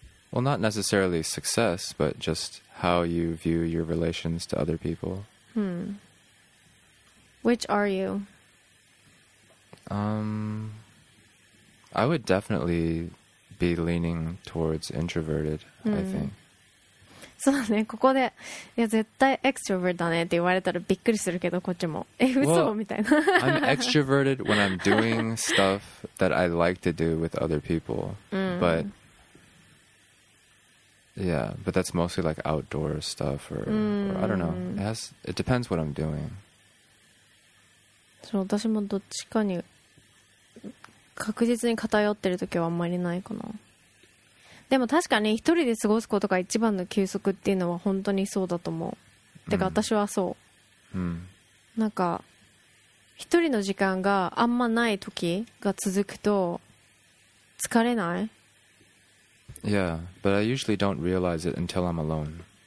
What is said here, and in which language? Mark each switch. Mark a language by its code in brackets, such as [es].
[en] Well, not necessarily success, but just how you view your relations to other people. Which are you? I would definitely be leaning towards introverted, I think. [ja] そうね、ここでいや絶対エクストロバートだねって言われたらびっくりするけど、こっちもえ嘘、 [en] well, [ja] みたいな。 [en] I'm extroverted when I'm doing stuff that I like to do with other people, but yeah, but that's mostly like outdoor stuff or I don't know. It depends what I'm doing. [ja] そう、私もどっちかに確実に偏ってる時はあんまりないかな。でも確かに一人で過ごすことが一番の休息っていうのは本当にそうだと思う、てか私はそう、うん、なんか一人の時間があんまない時が続くと疲れない？ [en] Yeah, but I usually don't realize it until I'm alone.